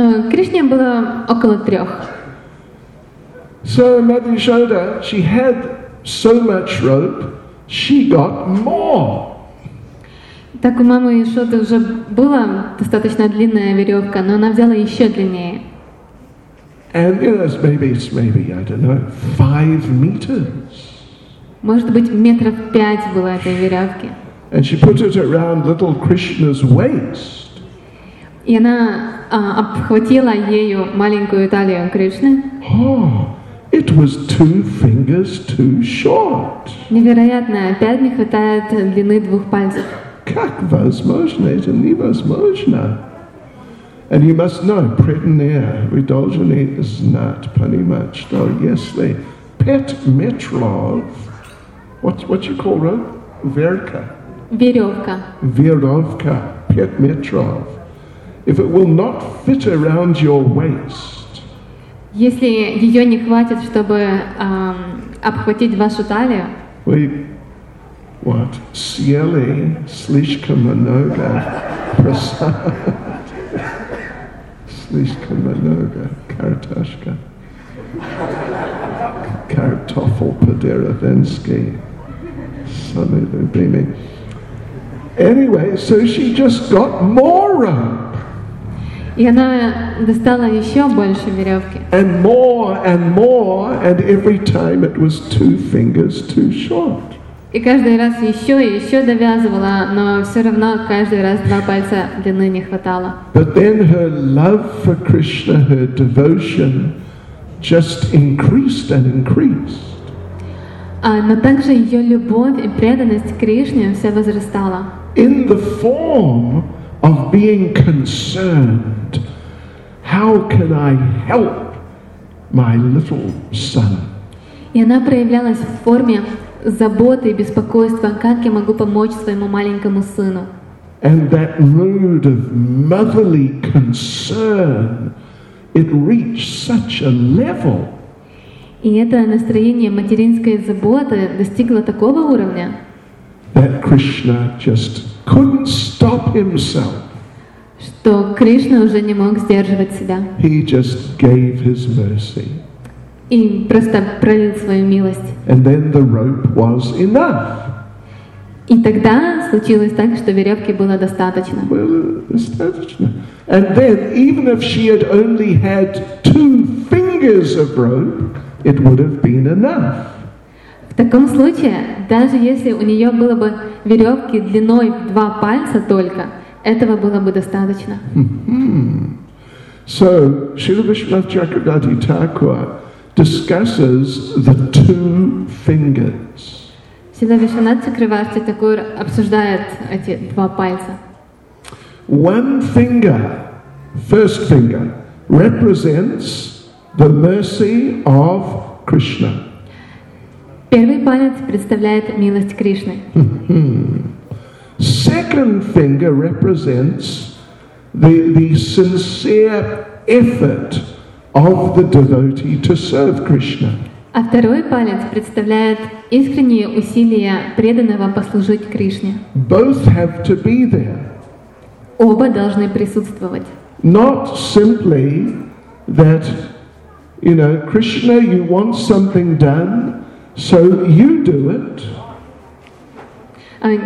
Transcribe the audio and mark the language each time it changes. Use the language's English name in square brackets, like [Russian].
[Russian] Кришне было около 3. [English] So Mother Yashoda, she had so much rope, she got more. [Russian] Так у мамы Яшоды уже была достаточно длинная веревка, но она взяла еще длиннее. [English] And you know, maybe, I don't know, 5 meters. [Russian] Может быть, 5 метров было этой веревки. [English] And she put it around little Krishna's waist. [Russian] И она обхватила ею маленькую талию Кришны. [English] Oh, it was 2 fingers too short. [Russian] Невероятно, опять не хватает длины 2 пальцев. Как возможно? Это невозможно. [English] And you must know, [Russian] преданные, вы должны знать, понимать, что если pet metrov, [English] what you call it? [Russian] Верка. Веревка. Веревка, pet metrov. [English] If it will not fit around your waist. [Russian] Если ее не хватит, чтобы обхватить вашу талию. Вы, what, съели слишком много просад. Слишком много картошка. Картофель по-деревенски. Самый любимый. [English] Anyway, so she just got more rope. [Russian] И она достала еще больше веревки. [English] And more, and more, and every time it was 2 fingers too short. [Russian] И каждый раз еще и еще довязывала, но все равно каждый раз 2 пальца длины не хватало. [English] But then her love for Krishna, her devotion just increased and increased. [Russian] Но также ее любовь и преданность Кришне все возрастала. [English] In the form of being concerned, how can I help my little son. [Russian] И она проявлялась в форме заботы и беспокойства, как я могу помочь своему маленькому сыну. [English] And that mood of motherly concern, it reached such a level. [Russian] И это настроение материнской заботы достигло такого уровня, [English] that Krishna just couldn't stop himself. [Russian] Что Кришна уже не мог сдерживать себя. [English] He just gave his mercy. [Russian] И просто пролил свою милость. [English] And then the rope was enough. [Russian] И тогда случилось так, что веревки было достаточно. Было достаточно. [English] And then, even if she had only had two fingers of rope, it would have been enough. [Russian] В таком случае, даже если у нее было бы веревки длиной в два пальца только, этого было бы достаточно. [English] So, Śrīla Viśvanātha Cakravarti Thakura discusses the two fingers. [Russian] Śrīla Viśvanātha Cakravarti Thakura обсуждает эти два пальца. [English] One finger, first finger, represents the mercy of Krishna. [Russian] Первый палец представляет милость Кришны. [English] Second finger represents the sincere effort of the devotee to serve Krishna. [Russian] А второй палец представляет искренние усилия преданного послужить Кришне. [English] Both have to be there. [Russian] Оба должны присутствовать. [English] Not simply that, you know, Krishna, you want something done, so you do it.